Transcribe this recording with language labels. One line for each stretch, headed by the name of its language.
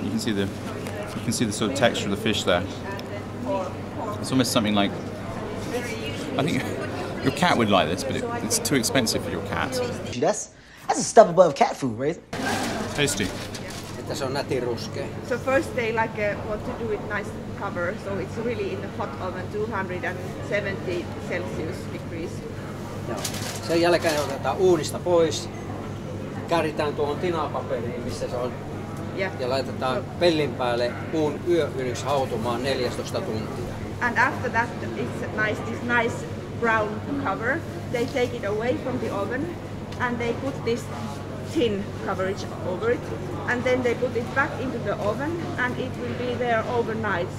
English: You can see the sort of texture of the fish there. It's almost something like, I think your cat would like this, but it's too expensive for your cat. That's a step above cat food, right? Tasty. So first they like want to do it nice cover, so it's really in the hot oven, 270 Celsius degrees.
Finnish: Sen jälkeen otetaan uunista pois. Käritään tuohon tinapaperiin, missä se on,
English: yeah.
Finnish: Ja laitetaan pellin päälle puun yöhyllyksi hautumaan 14 tuntia.
English: And after that, it's nice, this nice brown cover. They take it away from the oven, and they put this tin coverage over it. And then they put it back into the oven, and it will be there overnight.